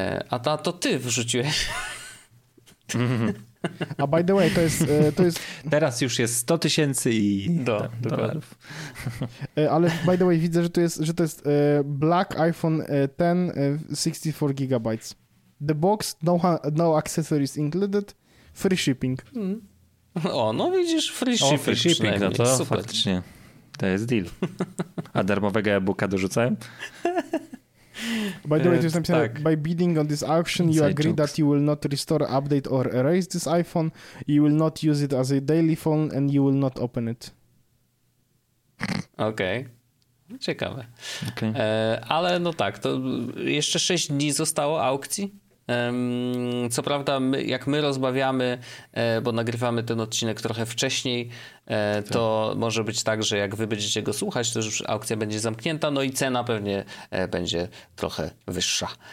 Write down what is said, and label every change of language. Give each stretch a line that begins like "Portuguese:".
Polish: A to ty wrzuciłeś. A
English: by the way,
Polish: to jest... Teraz już jest 100 tysięcy i dolarów. Ale
English: by the way,
Polish: widzę, że to jest Black iPhone 10 64 GB.
English: The box, no accessories included, free shipping.
Polish: O, no widzisz,
English: free shipping,
Polish: no to super. Faktycznie. To jest deal. A darmowego e-booka dorzucałem?
English: By the way,
Polish: to jest napisane, tak.
English: By bidding on this auction, inside you agree jokes. That you will not restore, update or erase this iPhone, you will not use it as a daily phone and you will not open it.
Polish: Okej. Okay. Ciekawe. Okay. Ale no tak, to jeszcze 6 dni zostało aukcji. Co prawda, jak my rozmawiamy, bo nagrywamy ten odcinek trochę wcześniej, to tak. Może być tak, że jak wy będziecie go słuchać, to już aukcja będzie zamknięta, no i cena pewnie będzie trochę wyższa.